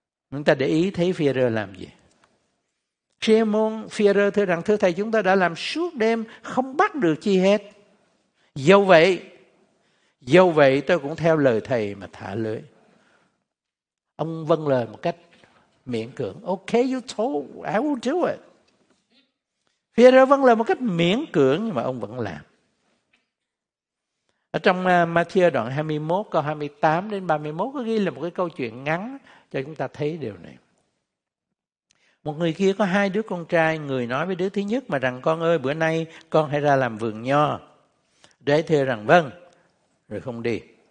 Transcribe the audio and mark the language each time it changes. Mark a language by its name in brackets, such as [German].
[Vietnamese] Chúng ta để ý thấy Phi-e-rơ làm gì. Simon Phi-e-rơ thưa rằng, thưa Thầy, chúng ta đã làm suốt đêm không bắt được chi hết. Dầu vậy tôi cũng theo lời Thầy mà thả lưới. Ông vâng lời một cách miễn cưỡng. [English] Okay, you told, I will do it. [Vietnamese] Phi-e-rơ vâng lời một cách miễn cưỡng nhưng mà ông vẫn làm. Ở trong Matthew đoạn 21 câu 28 đến 31 có ghi là một cái câu chuyện ngắn cho chúng ta thấy điều này. Một người kia có hai đứa con trai, người nói với đứa thứ nhất mà rằng, con ơi, bữa nay con hãy ra làm vườn nho. Đứa ấy thưa rằng, vâng, rồi không đi.